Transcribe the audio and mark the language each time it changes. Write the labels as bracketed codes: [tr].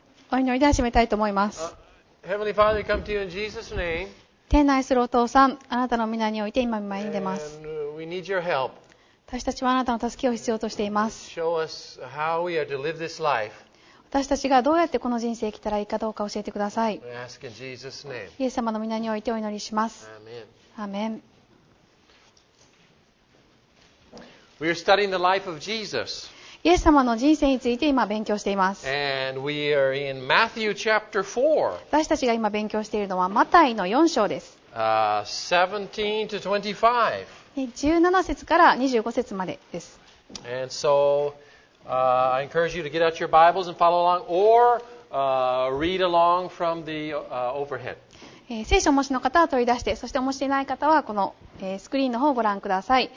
[ja] お祈りで始めたいと思います。 [en] Heavenly Father, come to you in Jesus' name. [ja] 天の愛するお父さん、あなたの御名において今見舞いに出ます。 [en] And we need your help. [ja] 私たちはあなたの助けを必要としています。 [en] Show us how we are to live this life. [ja] 私たちがどうやってこの人生生きたらいいかどうか教えてください。 [en] We ask in Jesus' name. [ja] イエス様の御名においてお祈りします。 [en] Amen. Amen. We are studying the life of Jesus. [ja] イエス様の人生について今勉強しています。 [en] And we are in Matthew chapter 4. [ja] 私たちが今勉強しているのはマタイの4章です。 [en] 17 to 25. [ja] 17節から25節までです。 [en] And so, I encourage you to get out your Bibles and follow along or, read along from the, overhead. [ja] 聖書をお持ちの方は取り出して、そしてお持ちでない方はこのスクリーンの方をご覧ください。